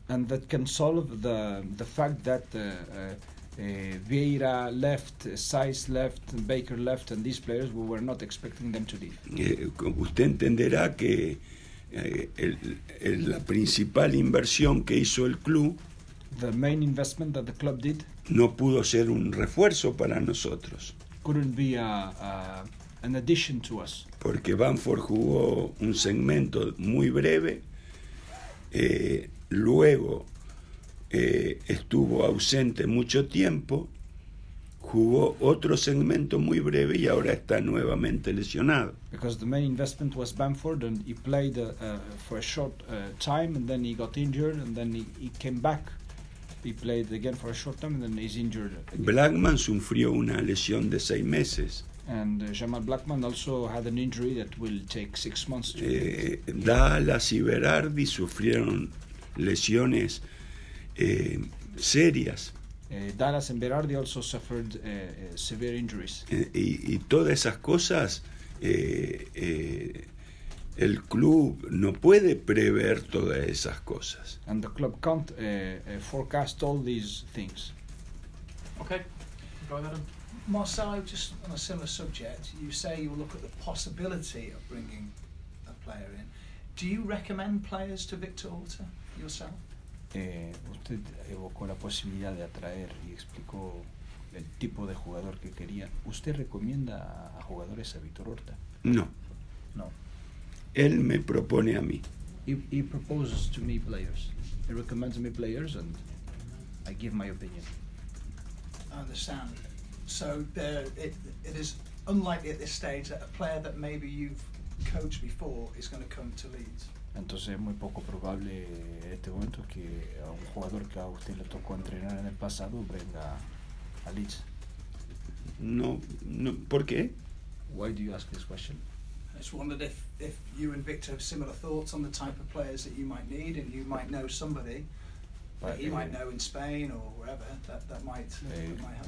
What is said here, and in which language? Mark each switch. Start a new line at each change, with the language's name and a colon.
English: And that can solve the fact that Vieira left, Saiz left, Baker left, and these players, we were not expecting them to leave.
Spanish: Usted entenderá que la principal inversión que hizo el club,
English: the main investment that the club did,
Spanish: no pudo ser un refuerzo para nosotros.
English: Couldn't be an addition to us.
Spanish: Porque Bamford jugó un segmento muy breve, luego estuvo ausente mucho tiempo, jugó otro segmento muy breve y ahora está nuevamente lesionado.
English: Because the main investment was Bamford and he played for a short time and then he got injured and then he came back. He played again for a short time and then he's injured again.
Spanish: Blackman sufrió una lesión de 6 meses.
English: And Jamal Blackman also had an injury that will take 6 months to
Spanish: heal. Dallas y Berardi sufrieron lesiones serias.
English: Dallas and Berardi also suffered severe injuries.
Spanish: Y todas esas cosas, el club no puede prever todas esas cosas.
English: And the club can't forecast all these things. Okay, go ahead, Adam. Marcelo, just on a similar subject, you say you look at the possibility of bringing a player in. Do you recommend players to Victor Horta yourself?
Spanish: Usted evocó la posibilidad de atraer y explicó el tipo de jugador que quería. ¿Usted recomienda a jugadores a Vitor Horta? No.
English: No.
Spanish: Él me propone a mí.
English: He proposes to me players. He recommends me players and I give my opinion. I understand. So it is unlikely at this stage that a player that maybe you've coached before is going to come to Leeds.
Spanish: Entonces es muy poco probable en este momento que a un jugador que a usted le tocó entrenar en el pasado venga a Leeds. No, ¿por qué?
English: Why do you ask this question? I just wondered if you and Victor have similar thoughts on the type of players that you might need, and you might know somebody that you might know in Spain or wherever that might help.